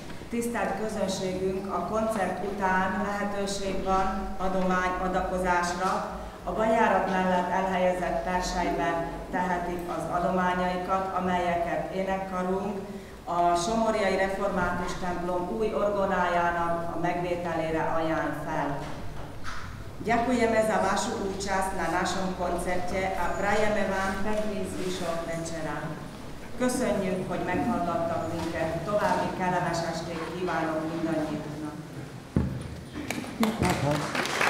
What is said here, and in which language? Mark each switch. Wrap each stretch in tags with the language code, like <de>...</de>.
<hu>Tisztelt közönségünk, a koncert után lehetőség van adomány adakozásra. A bejárat mellett elhelyezett persejben tehetik az adományaikat, amelyeket énekkarunk a Somorjai Református templom új orgonájának a megvételére ajánl fel.</hu> <sk>Ďakujeme za vašu účasť na našom koncerte a prajeme vám pekný zvyšok večera.</sk> <hu>Köszönjük, hogy meghallgattak minket. További kellemes estét kívánok mindannyiunknak.</hu>